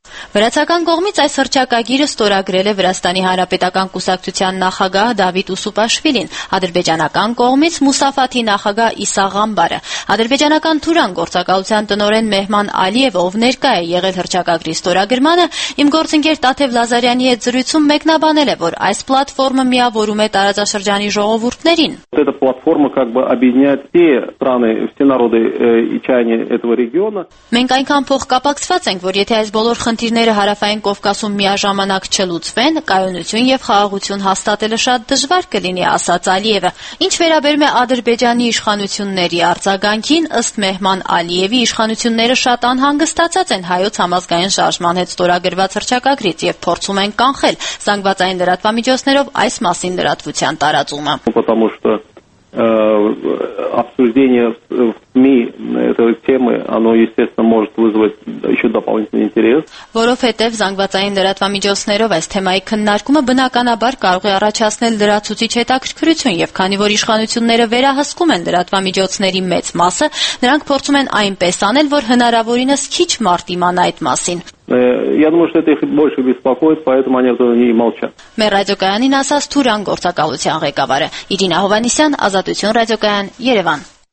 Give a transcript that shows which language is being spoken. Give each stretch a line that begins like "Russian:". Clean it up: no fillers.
Armenian: Վրացական կողմից այս հռչակագիրը ստորագրել է Վրաստանի Հանրապետական կուսակցության նախագահ Դավիթ Ուսուպաշվիլին, ադրբեջանական կողմից Մուսաֆաթի նախագահ Իսա Ղամբարը, ադրբեջանական Թուրան գործակալության տնօրեն Մեհման Ալիև, ով ներկա է եղել հռչակագրի ստորագրմանը, իմ գործընկեր Տաթև Լազարյանի հետ զրույցում մեկնաբանել է, որ այս պլատֆորմը միավորում է տարածաշրջանի ժողովուրդներին։
Russian: Эта платформа как бы объединяет все страны, все народы и чаяния этого региона.
Armenian: Մենք այնքան փոխկապակցված ենք, որ եթե այս բոլոր խնդիրները Հարավային Կովկասում միաժամանակ չլուծվեն, կայունություն և խաղաղություն հաստատելը շատ դժվար կլինի, ասաց Ալիևը։ Ինչ վերաբերում է Ադրբեջանի իշխանությունների արձագանքին, ըստ Մեհման Ալիևի, իշխանությունները շատ անհանգստացած են հայոց համազգային շարժման հետ ստորագրված հռչակագրից և փորձում են կանխել զանգվածային լրատվամիջոցներով այս մասին լրատվության տարածումը։
Russian: Обсуждение в СМИ этой темы, оно, естественно, может вызвать еще дополнительный интерес.
Armenian: Որովհետև զանգվածային լրատվամիջոցներով այս թեմայի քննարկումը բնականաբար կարող է առաջացնել լրացուցիչ հետաքրքրություն, եւ քանի որ իշխանությունները վերահսկում են լրատվամիջոցների մեծ մասը, նրանք փորձում են այնպես անել, որ հնարավորինս քիչ մարդ իմանա այդ մասին.
Russian: Я думаю, что это их больше беспокоит, поэтому они этого не молчат.
Armenian: Մեր ռադիոկայանին ասաց Թուրան գործակալության ղեկավարը Իրինա Հովանեսյան, Ազատություն ռադիոկայան, Երևան.